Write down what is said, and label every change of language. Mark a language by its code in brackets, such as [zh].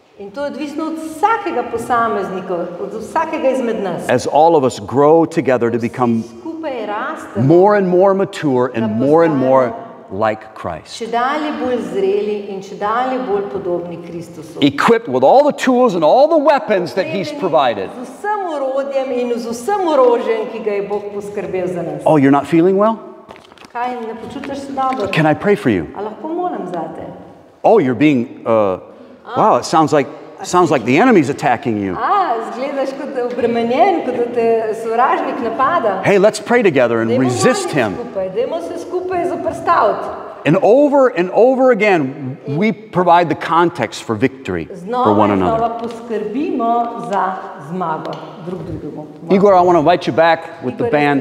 [sl] In to je odvisno od vsakega posameznika, od vsakega izmed nas. [en] As all of us grow together to become more and more mature and more and more like Christ. [sl] Če dalje bolj zreli in če dalje bolj podobni Kristusu. [en] Equipped with all the tools and all the weapons that he's provided. [sl] Z vsem orodjem in z vsem orožjem, ki ga je Bog poskrbel za nas. [en] Oh, you're not feeling well? [sl] Kaj, ne počutiš se dobro? [en] Can I pray for you? [sl] A lahko molim zate? [en] Oh, you're being, wow, it sounds like the enemy's attacking you. [sl] Zgledaš kot da obremenjen, kot da te sovražnik napada. [en] Hey, let's pray together and resist him. [sl] Dajmo se skupaj zoperstaviti. [en] And over again, we provide the context for victory for one another. [sl] Znova poskrbimo za zmago drug drugemu. [en] Igor, I want to invite you back with the band.